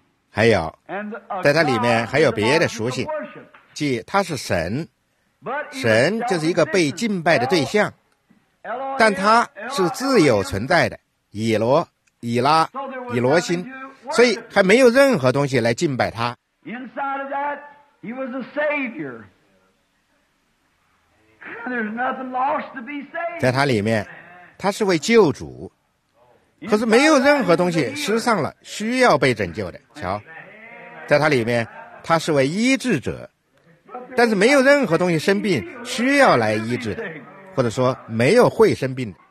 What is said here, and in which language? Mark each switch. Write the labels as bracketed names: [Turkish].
[Chinese] 还有在他里面还有别的属性，即他是神，神就是一个被敬拜的对象，但他是自有存在的，以罗、以拉、以罗心，所以还没有任何东西来敬拜他。 [English] Inside of that, he was a savior. There's nothing lost to be saved. [Chinese] 在他里面，他是位救主，可是没有任何东西失丧了，需要被拯救的。瞧，在他里面，他是位医治者，但是没有任何东西生病需要来医治的，或者说没有会生病的。